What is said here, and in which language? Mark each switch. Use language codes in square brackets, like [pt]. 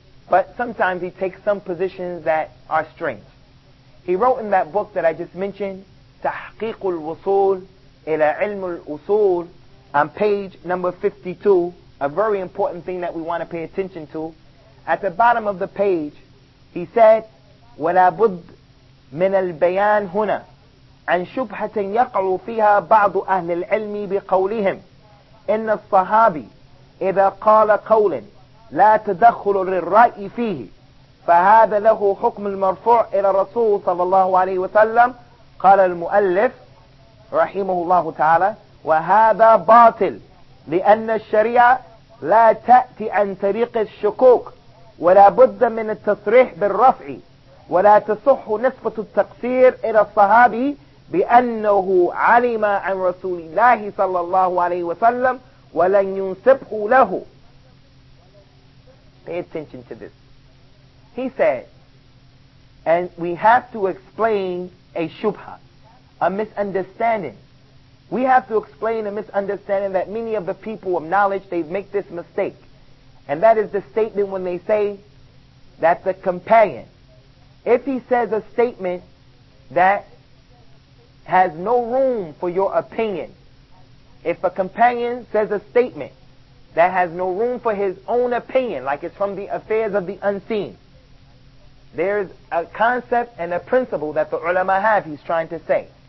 [en] But sometimes he takes some positions that are strange. He wrote in that book that I just mentioned, تحقيق الوصول إلى علم الوصول, on page number 52, a very important thing that we want to pay attention to. At the bottom of the page, he said, [ar] ولابد من البيان هنا عن شبهة يقع فيها بعض أهل العلم بقولهم إن الصحابي إذا قال قولا لا تدخل للرأي فيه فهذا له حكم المرفوع إلى الرسول صلى الله عليه وسلم قال المؤلف رحمه الله تعالى وهذا باطل لأن الشريعة لا تأتي عن طريق الشكوك ولا بد من التصريح بالرفع ولا تصح نسبة التقصير إلى الصحابي بأنه علم عن رسول الله صلى الله عليه وسلم ولن ينسبه له. [en] Pay attention to this. He said, and we have to explain a shubha, a misunderstanding. We have to explain a misunderstanding that many of the people of knowledge, they make this mistake. And that is the statement when they say that the companion, if he says a statement that has no room for your opinion, if a companion says a statement that has no room for his own opinion, like it's from the affairs of the unseen, there's a concept and a principle that the ulama have, he's trying to say.